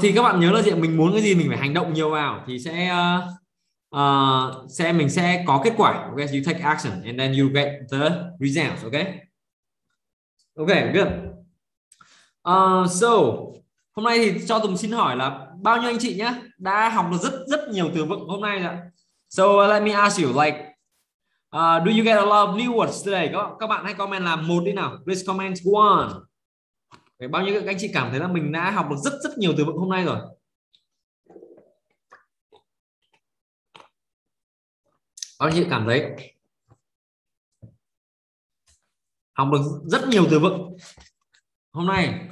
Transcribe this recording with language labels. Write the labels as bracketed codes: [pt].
[vi] Thì các bạn nhớ là gì, mình muốn cái gì mình phải hành động nhiều vào thì sẽ có kết quả. [en] Okay, you take action and then you get the results. Okay, good. [vi] So hôm nay thì cho Tùng xin hỏi là bao nhiêu anh chị nhá đã học được rất rất nhiều từ vựng hôm nay rồi. [en] So let me ask you, like, do you get a lot of new words today? [vi] Các bạn hãy comment là một đi nào. [en] Please comment one. [vi] Bao nhiêu các anh chị cảm thấy là mình đã học được rất rất nhiều từ vựng hôm nay rồi? Bao nhiêu cảm thấy học được rất nhiều từ vựng hôm nay?